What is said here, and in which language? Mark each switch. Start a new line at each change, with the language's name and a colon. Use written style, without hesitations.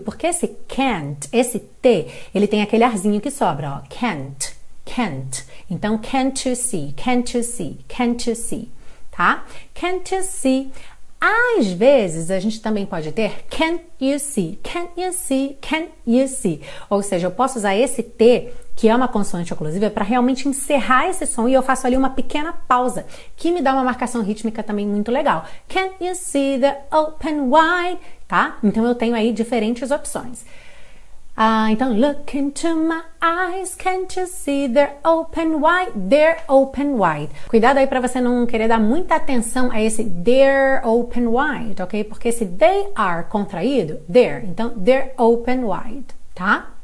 Portuguese: Porque esse can't, esse T, ele tem aquele arzinho que sobra, ó.
English: Can't, can't. Então, can't you see, can't you see, can't you see, tá? Can't you see?
Portuguese: Às vezes, a gente também pode ter
English: can't you see, can't you see, can't you see.
Portuguese: Ou seja, eu posso usar esse T, que é uma consoante oclusiva, para realmente encerrar esse som e eu faço ali uma pequena pausa, que me dá uma marcação rítmica também muito legal.
English: Can't you see the open wide?
Portuguese: Tá? Então, eu tenho aí diferentes opções.
English: Então, look into my eyes, can't you see they're open wide, they're open wide.
Portuguese: Cuidado aí pra você não querer dar muita atenção a esse
English: they're open wide,
Portuguese: ok? Porque esse they are contraído, they're, então
English: they're open wide,
Portuguese: tá?